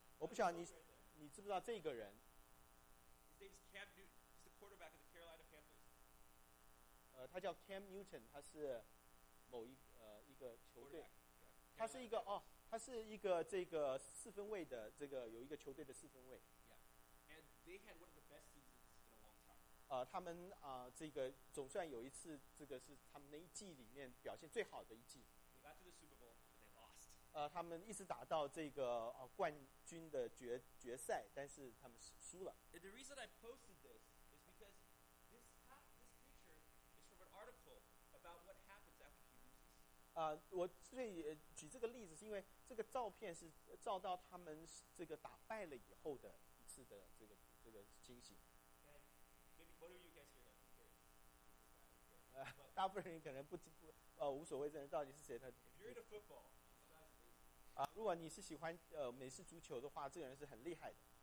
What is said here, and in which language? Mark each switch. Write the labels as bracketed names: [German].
[Chinese] 我不晓得你知不知道这个人。 [English] His name is Cam Newton. He's the quarterback of the Carolina Panthers. [Chinese] 他叫 Cam Newton. 他是某一个一个球队。 [English] Yeah, [Chinese] 他是一个哦，他是一个这个四分卫的这个有一个球队的四分卫。 [English] Yeah. And they had one of the best seasons in a long time. [Chinese] 他们啊、这个总算有一次，这个是他们那一季里面表现最好的一季。 [English] They got to the Super Bowl. [Chinese] 他们一直打到这个、冠军的决赛，但是他们输了。 [English] And the reason I posted this is because this picture is from an article about what happens after he loses. [Chinese] 我最举这个例子是因为这个照片是照到他们这个打败了以后的一次的这个情形。 [English] Maybe one of you guys here like, okay. [Chinese] 大部分人可能不无所谓，这人到底是谁？他。 [English] If you're into football. [Chinese] 如果你是喜欢美式足球的话，这个人是很厉害的。